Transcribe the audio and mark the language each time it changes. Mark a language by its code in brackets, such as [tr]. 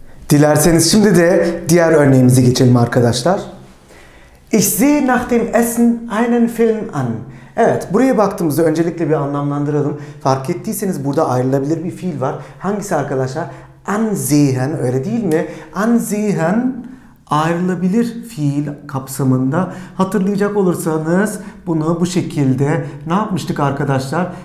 [tr] Dilerseniz şimdi de diğer örneğimizi geçelim arkadaşlar. [de] Ich sehe nach dem Essen einen Film an. [tr] Evet, buraya baktığımızda öncelikle bir anlamlandıralım. Fark ettiyseniz burada ayrılabilir bir fiil var. Hangisi arkadaşlar? Ansehen, öyle değil mi? Ansehen ayrılabilir fiil kapsamında. Hatırlayacak olursanız bunu bu şekilde ne yapmıştık arkadaşlar?